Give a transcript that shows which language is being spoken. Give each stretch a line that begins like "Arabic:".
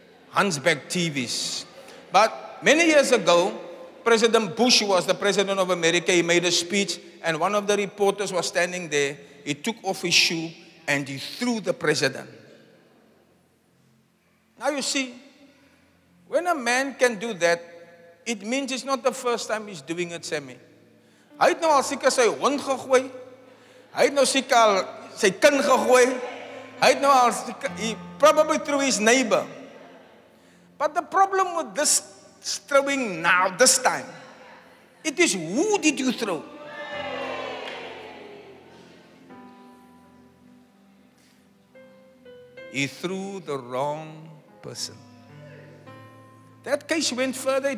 English: Hunchback TVs. But many years ago, President Bush was the president of America. He made a speech, and one of the reporters was standing there. He took off his shoe and he threw the president. Now you see, when a man can do that, it means it's not the first time he's doing it, Sammy.
Afrikaans: Hy het nou al seker sy hond gegooi. Hy het nou seker al sy kind gegooi. Hy het nou al seker,
English: he probably threw his neighbor. But the problem with this throwing now, this time, it is who did you throw? He threw the wrong person. That case went further.